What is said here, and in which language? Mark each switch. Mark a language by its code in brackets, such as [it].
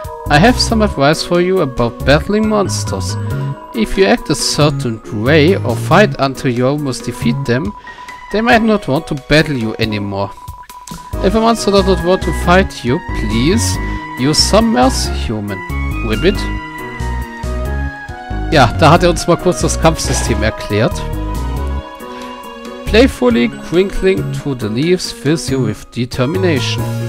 [en] I have some advice for you about battling monsters. If you act a certain way or fight until you almost defeat them, they might not want to battle you anymore. If a monster does not want to fight you, please use some mercy, human. Ribbit. [de] Ja, da hat er uns mal kurz das Kampfsystem erklärt. [en] Playfully crinkling through the leaves fills you with determination.